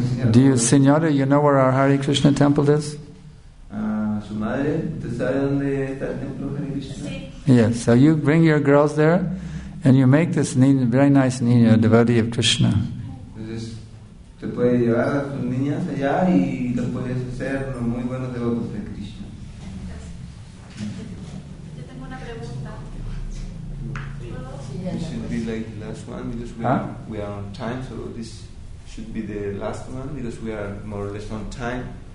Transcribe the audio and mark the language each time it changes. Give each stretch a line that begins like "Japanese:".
English: Dear Senora, you know where our Hare Krishna temple is?
Spanish: Su madre, ¿usted sabe dónde está el templo?
English: Yes, so you bring your girls there and you make this niña, very nice niña, a devotee of Krishna. This should be like the last one because we are on time, so this should be the last one because we are more or less on time.